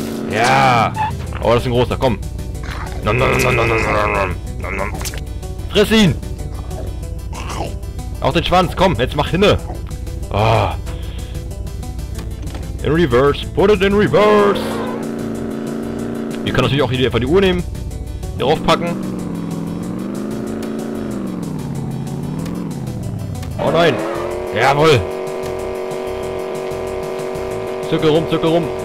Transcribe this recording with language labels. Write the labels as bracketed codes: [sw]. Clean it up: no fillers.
[de] Ja! Oh, das ist ein großer, komm! Nom, nom, nom, nom, nom, nom, nom, nom. Friss ihn! Auch den Schwanz, komm, jetzt mach hinne! Ah! Oh. [en] In reverse, put it in reverse! [de] Ihr könnt natürlich auch hier einfach die Uhr nehmen, hier draufpacken. Oh nein! Jawohl! Zirkel rum, zirkel rum!